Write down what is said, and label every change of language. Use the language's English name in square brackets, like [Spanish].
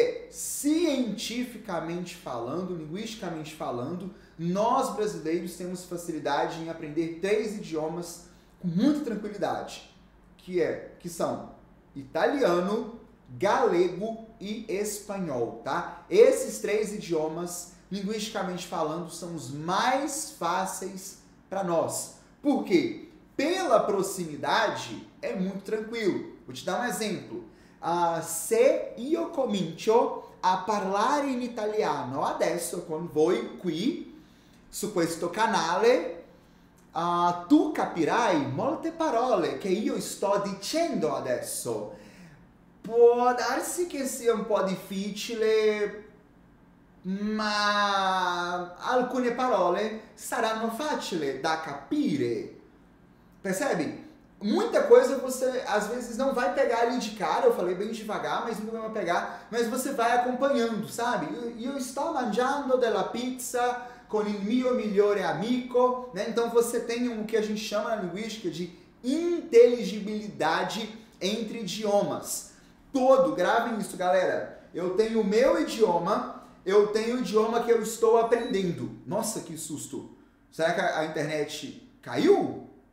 [Portuguese] Cientificamente falando, linguisticamente falando, nós brasileiros temos facilidade em aprender três idiomas com muita tranquilidade, que são italiano, galego e espanhol, tá? Esses três idiomas, linguisticamente falando, são os mais fáceis para nós. Por quê? Pela proximidade, é muito tranquilo. Vou te dar um exemplo. [Italian] Se io comincio a parlare in italiano adesso con voi qui su questo canale, tu capirai molte parole che io sto dicendo adesso. Può darsi che sia un po' difficile ma alcune parole saranno facile da capire. [Portuguese] Percebe? Muita coisa você, às vezes, não vai pegar ali de cara. Eu falei bem devagar, mas não vai pegar. Mas você vai acompanhando, sabe? [Italian] Io sto mangiando della pizza con il mio migliore amico. [Portuguese] Né? Então você tem o que a gente chama na linguística de inteligibilidade entre idiomas. Todo, gravem isso, galera. Eu tenho o meu idioma, eu tenho o idioma que eu estou aprendendo. Nossa, que susto. Será que a internet caiu?